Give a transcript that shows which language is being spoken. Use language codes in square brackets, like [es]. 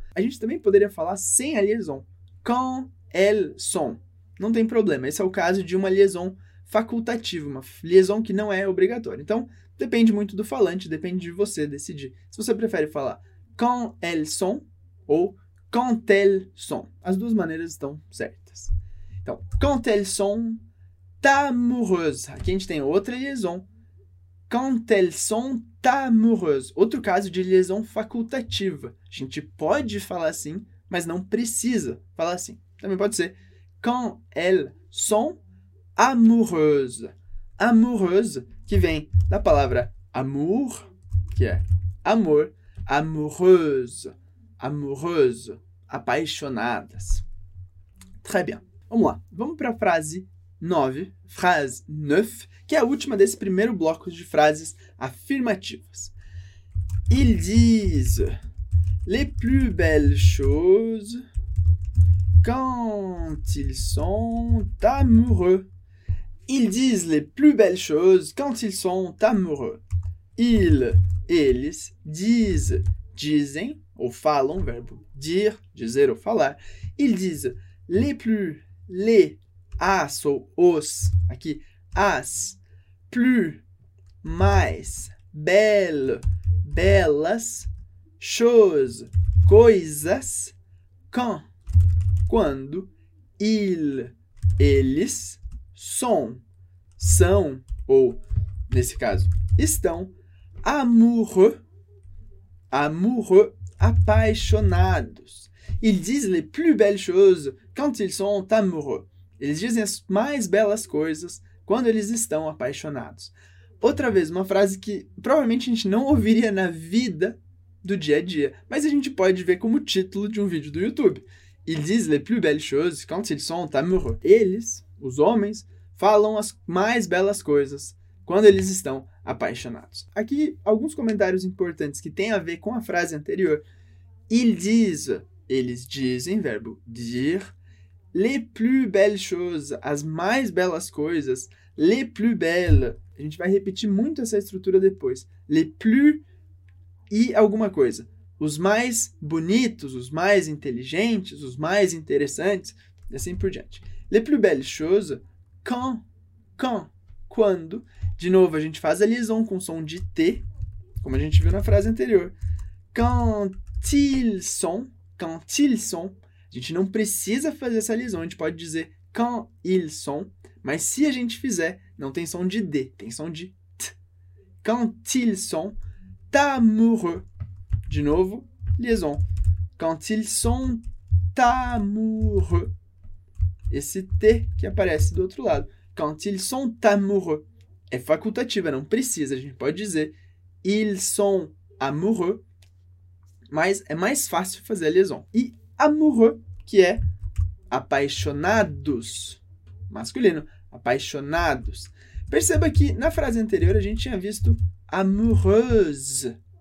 [pt] A gente também poderia falar sem a liaison. [fr] Quand elles sont. [pt] Não tem problema. Esse é o caso de uma liaison facultativa. Uma liaison que não é obrigatória. Então, depende muito do falante. Depende de você decidir. Se você prefere falar [fr] quand elles sont [pt] ou quand elles sont. As duas maneiras estão certas. [fr] Então, quand elles sont amoureuses. [pt] Aqui a gente tem outra liaison. [fr] Quand elles sont amoureuses. [pt] Outro caso de liaison facultativa. A gente pode falar assim, mas não precisa falar assim. Também pode ser [fr] quand elles sont amoureuses. [pt] Amoureuses, que vem da palavra amour, que é amor. Amoureuses. Amoureuses. Apaixonadas. Très bien. Vamos lá. Vamos para a frase 9. Phrase 9. Que é a última desse primeiro bloco de frases afirmativas. [fr] Ils disent les plus belles choses quand ils sont amoureux. Ils disent les plus belles choses quand ils sont amoureux. [pt] Eles disent, dizem ou falam, verbo dire, dizer ou falar. Ils disent les plus, les, as ou os, aqui, as. Plus, mais, belle, belas, choses, coisas, quand, quando, ils, eles, sont, são ou nesse caso, estão amoureux, amoureux, apaixonados. [fr] Ils disent les plus belles choses quand ils sont amoureux. [pt] Eles dizem as mais belas coisas quando eles estão apaixonados. Outra vez, uma frase que provavelmente a gente não ouviria na vida do dia a dia, mas a gente pode ver como título de um vídeo do YouTube. [fr] Ils disent les plus belles choses quand ils sont amoureux. [pt] Eles, os homens, falam as mais belas coisas quando eles estão apaixonados. Aqui, alguns comentários importantes que têm a ver com a frase anterior. Ils disent, eles dizem, verbo dire, [fr] les plus belles choses, [pt] as mais belas coisas, les plus belles. A gente vai repetir muito essa estrutura depois. Les plus e alguma coisa. Os mais bonitos, os mais inteligentes, os mais interessantes, e assim por diante. [fr] Les plus belles choses, quand, quando. [pt] De novo, a gente faz a liaison com som de T, como a gente viu na frase anterior. Quand ils sont, a gente não precisa fazer essa liaison, a gente pode dizer [fr] quand ils sont, [pt] mas se a gente fizer, não tem som de D, tem som de T. [fr] Quand ils sont amoureux. [pt] De novo, liaison. [fr] Quand ils sont amoureux. [pt] Esse T que aparece do outro lado. [fr] Quand ils sont amoureux. [pt] É facultativa, não precisa. A gente pode dizer [fr] ils sont amoureux. [pt] Mas é mais fácil fazer a liaison. E amoureux, que é apaixonados. Masculino, apaixonados. Perceba que na frase anterior a gente tinha visto amoureuse.